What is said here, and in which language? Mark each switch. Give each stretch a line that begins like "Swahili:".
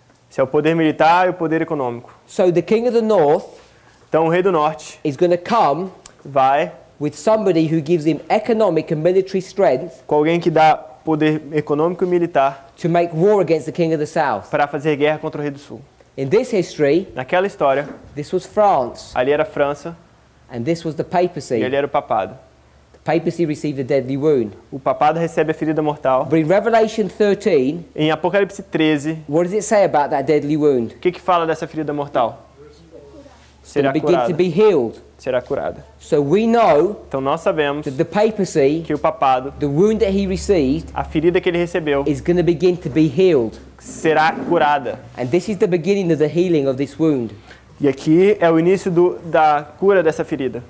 Portuguese: Isso é o poder militar e o poder econômico.
English: So the king of the north,
Portuguese: então, o rei do norte,
English: is going to come,
Portuguese: vai,
English: with somebody who gives him economic and military strength,
Portuguese: com alguém que dá poder econômico e militar,
English: to make war against the king of the south,
Portuguese: para fazer guerra contra o rei do sul.
English: In this history,
Portuguese: naquela história,
English: this was France,
Portuguese: ali era França,
English: and this was the papacy,
Portuguese: e ali era o papado.
English: The papacy received a deadly wound.
Portuguese: O papado recebe a ferida mortal.
English: But in Revelation 13,
Portuguese: em Apocalipse 13,
English: what does it say about that deadly wound?
Portuguese: Que fala dessa ferida mortal? Será curada.
English: Begin to be healed.
Portuguese: Será curada.
English: So we know,
Portuguese: então nós sabemos,
English: that the papacy,
Portuguese: que o papado,
English: the wound that he received,
Portuguese: a ferida que ele recebeu,
English: is going to begin to be healed.
Portuguese: Será curada.
English: And this is the beginning of the healing of this wound.
Portuguese: E aqui é o início do, da cura dessa ferida.